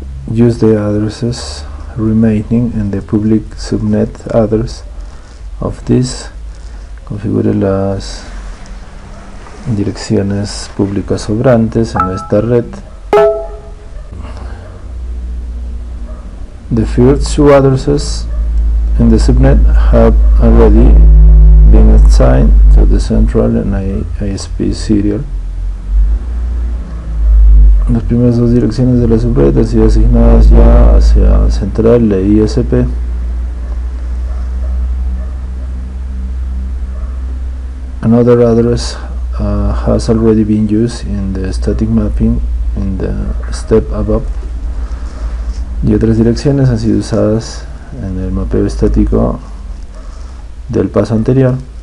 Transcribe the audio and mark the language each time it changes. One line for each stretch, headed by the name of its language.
English: Use the addresses remaining in the public subnet address of this.
Spanish: Configure las direcciones públicas sobrantes en esta red.
English: The first two addresses in the subnet have already been assigned to the central and ISP serial.
Spanish: Las primeras dos direcciones de la subred han sido asignadas ya hacia central e ISP.
English: Another address has already been used in the static mapping in the step above.
Spanish: Y otras direcciones han sido usadas en el mapeo estático del paso anterior.